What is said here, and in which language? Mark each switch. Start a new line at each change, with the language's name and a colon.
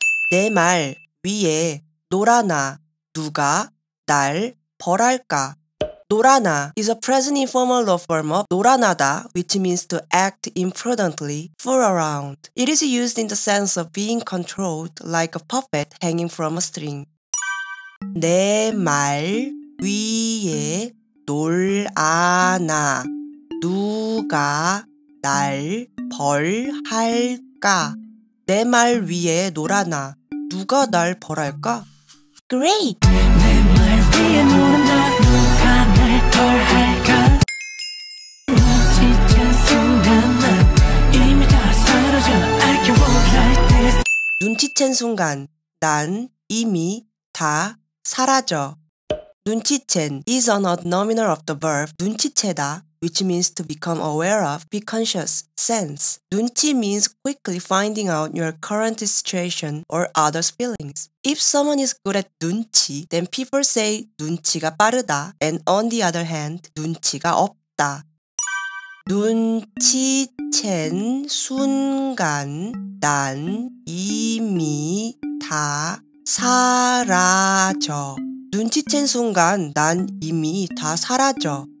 Korean: 내 말 위에 놀아나 누가 날 벌할까?
English: 놀아나 is a present informal law form of 놀아나다, which means to act imprudently, fool around. It is used in the sense of being controlled, like a puppet hanging from a string.
Korean: 내 말 위에 놀아나 누가 날 벌할까? 내 말 위에 놀아나 누가 날 벌할까?
English: Great!
Korean: 내 말 위에 놀아나 누가 날 벌할까? 눈치챈 순간 이미 다 사라져
English: I can walk like this
Korean: 눈치챈 순간 난 이미 다 사라져
English: 눈치챈 is an odd nominal of the verb 눈치채다 which means to become aware of, be conscious, sense. 눈치 means quickly finding out your current situation or others' feelings. If someone is good at 눈치, then people say
Korean: 눈치가 빠르다,
English: and on the other hand,
Korean: 눈치가 없다. 눈치챈 순간 난 이미 다 사라져. 눈치챈 순간 난 이미 다 사라져.